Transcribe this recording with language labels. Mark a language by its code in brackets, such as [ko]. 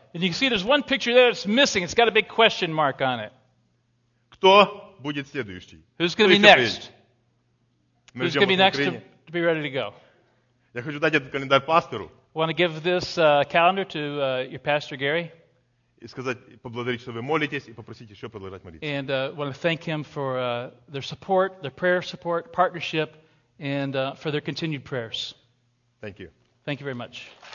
[en] And you can see there's one picture there that's missing. It's got a big question mark on it. [ru] Кто будет следующий? [en] Who's going to be next? Who's going to be next to be ready to go? [ru] Я хочу дать этот календарь пастору. [en] I want to give this calendar to your pastor, Gary. [ru] И сказать, поблагодарить, что вы молитесь, и попросить еще продолжать молиться. [en] And I want to thank him for their support, their prayer support, partnership, and for their continued prayers. Thank you. Thank you very much.